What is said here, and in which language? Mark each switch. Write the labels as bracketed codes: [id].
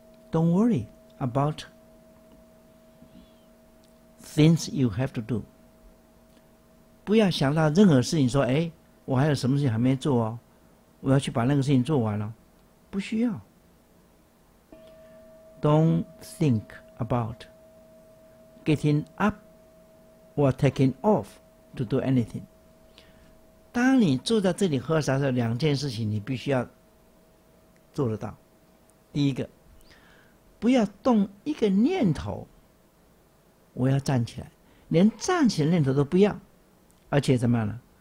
[en] Don't worry about things you have to do. [zh] 不要想到任何事情说，哎，我还有什么事情还没做哦，我要去把那个事情做完了，不需要。 [en] Don't think about getting up or taking off to do anything. [zh] 当你坐在这里喝茶的时候，两件事情你必须要做得到。第一个，不要动一个念头，我要站起来，连站起来的念头都不要，而且怎么样呢？